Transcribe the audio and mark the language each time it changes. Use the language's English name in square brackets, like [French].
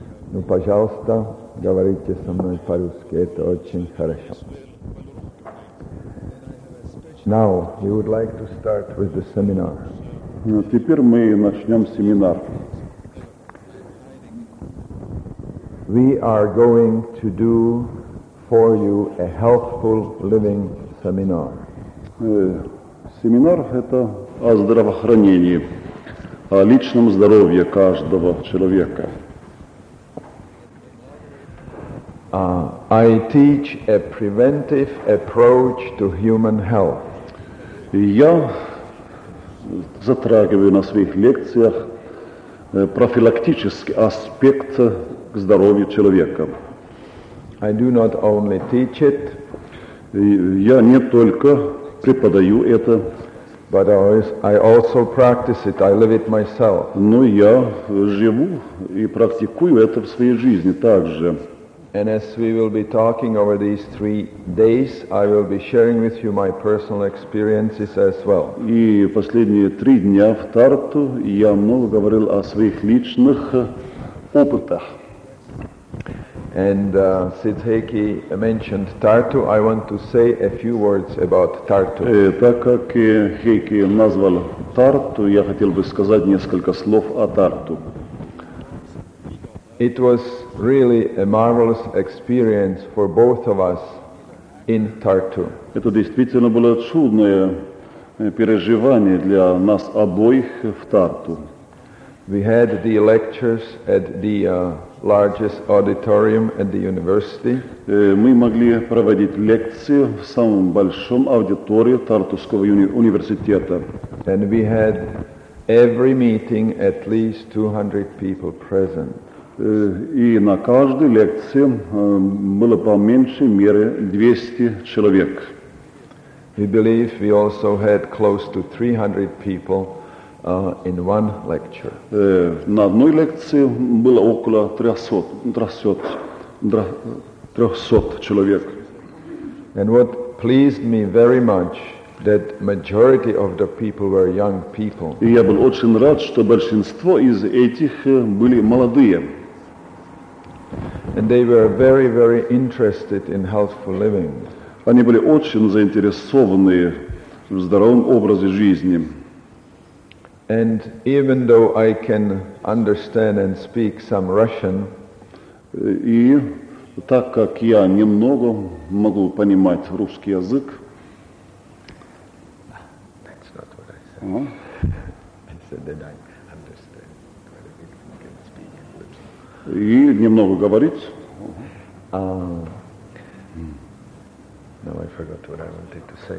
[Russian] Ну, пожалуйста, говорите со мной по-русски, это очень хорошо. [English] Now, you would like to start with the seminar. [Russian] Ну, теперь мы начнем семинар. [English] We are going to do for you a healthful living seminar. [Russian] Семинар – это о здравоохранении, о личном здоровье каждого человека. [English] I teach a preventive approach to human health. [Russian] Я затрагиваю на своих лекциях профилактический аспект к здоровью человека. [English] I do not only teach it, [Russian] я не только преподаю это, [English] but I also practice it, I live it myself. [Russian] Но я живу и практикую это в своей жизни также. [English] And as we will be talking over these 3 days, I will be sharing with you my personal experiences as well. [Russian] И последние 3 дня в Тарту я много говорил о своих личных опытах. [English] And since Heikki mentioned Tartu, I want to say a few words about Tartu. [Russian] Так как Heikki назвал Тарту, я хотел бы сказать несколько слов о Тарту. [English] It was really a marvelous experience for both of us in Tartu. [Russian] Это действительно было чудное переживание для нас обоих в Тарту. [English] We had the lectures at the largest auditorium at the university. [Russian] Мы могли проводить лекции в самом большом аудитории Тартуского университета. [English] And we had every meeting at least 200 people present. [Russian] И на каждой лекции было по меньшей мере 200 человек. [English] We believe we also had close to 300 people in one lecture. [Russian] На одной лекции было около 300 человек. [English] And what pleased me very much that majority of the people were young people. [Russian] И я был очень рад, что большинство из этих были молодые. [English] And they were very, very interested in healthful living. [Russian] Они были очень заинтересованы в здоровом образе жизни. [English] And even though I can understand and speak some Russian, [Russian] и так как я немного могу понимать русский язык, [English] that's not what I said. I said that I understand what I can speak in Russian. [Russian] И немного говорить. [English] Now I forgot what I wanted to say.